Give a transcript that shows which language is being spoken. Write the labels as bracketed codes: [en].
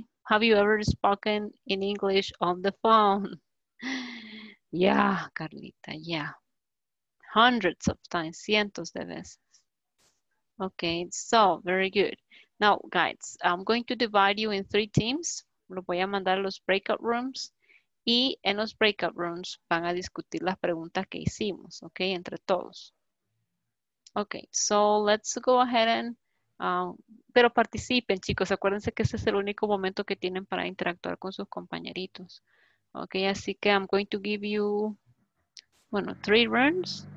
[en] Have you ever spoken in English on the phone? Yeah, Carlita, yeah. Hundreds of times, [es] cientos de veces. [en] Okay, so very good. Now, guys, I'm going to divide you in three teams. [es] Los voy a mandar a los breakout rooms. Y en los breakout rooms van a discutir las preguntas que hicimos, okay, entre todos. [en] Okay, so let's go ahead and [es] pero participen, chicos. Acuérdense que ese es el único momento que tienen para interactuar con sus compañeritos. [en] Ok, [es] así que [en] I'm going to give you, bueno, three rounds.